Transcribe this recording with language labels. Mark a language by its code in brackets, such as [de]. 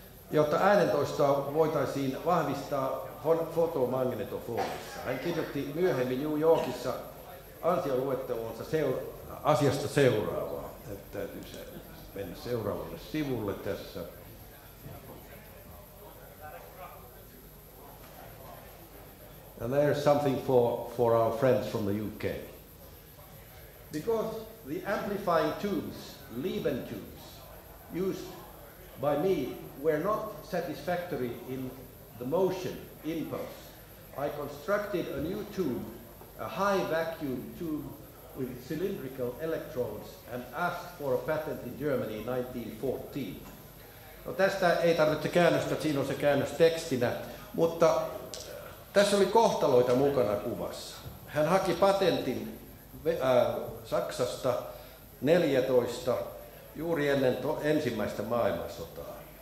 [fi] Jotta äänentoistoa voitaisiin vahvistaa fotomagnetofonissa. Hän kirjoitti myöhemmin New Yorkissa ansioluettelonsa asiasta seuraavaa. Täytyy se mennä seuraavalle sivulle tässä. [en] And there is something for our friends from the UK. Because the amplifying tubes, Leben tubes, used by me were not satisfactory in the motion impulse, I constructed a new tube, a high vacuum tube with cylindrical electrodes and asked for a patent in Germany in 1914. [fi] No, tästä ei tarvitse käännöstä, siinä on se käännös tekstinä, mutta tässä oli kohtaloita mukana kuvassa. Hän haki patentin Saksasta 14 juuri ennen ensimmäistä maailmansotaa.